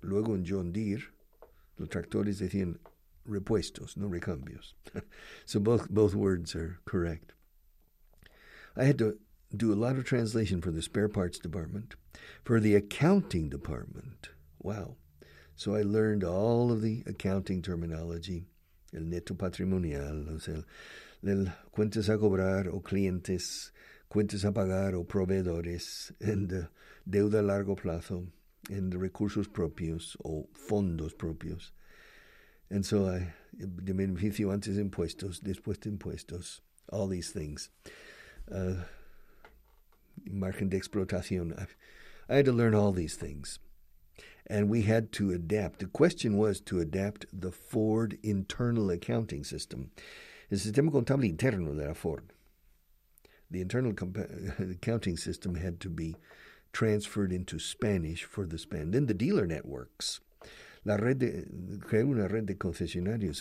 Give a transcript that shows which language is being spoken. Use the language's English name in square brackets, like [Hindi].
[Spanish] Luego en John Deere, los tractores decían repuestos, no recambios. [English] So both words are correct. I had to do a lot of translation for the spare parts department, for the accounting department. Wow. So I learned all of the accounting terminology, [Spanish] el neto patrimonial, o sea, el cuentas a cobrar o clientes, cuentas a pagar o proveedores, [English] and [Spanish] deuda a largo plazo, [English] and [Spanish] recursos propios o fondos propios. [English] And so I, [Spanish] de beneficio antes impuestos, después de impuestos, [English] all these things. [Spanish] Margen de explotación. [English] I had to learn all these things. And we had to adapt. The question was to adapt the Ford internal accounting system. [Spanish] El sistema contable interno de la Ford. [English] The internal accounting system had to be transferred into Spanish for the spend. Then the dealer networks. [Spanish] La red de, crear una red de concesionarios.